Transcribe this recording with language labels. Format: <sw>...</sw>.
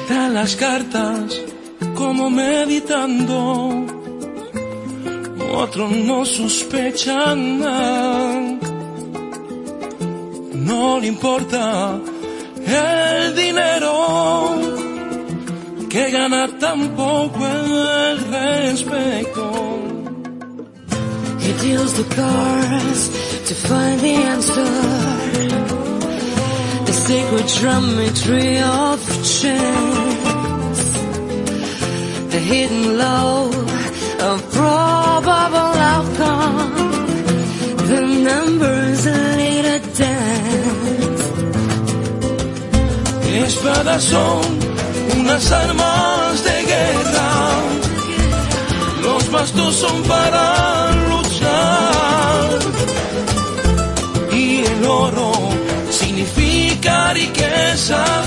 <es>Las cartas como meditando, otros no sospechan nada. No le importa el dinero, que gana tampoco el respeto.</es> <en>He deals the cards to find the answer, the sacred geometry of change. The hidden low of probable outcome, the numbers lead a dance.</en> <es>Espadas son unas armas de guerra, los bastos son para luchar, y el oro significa riqueza.</es>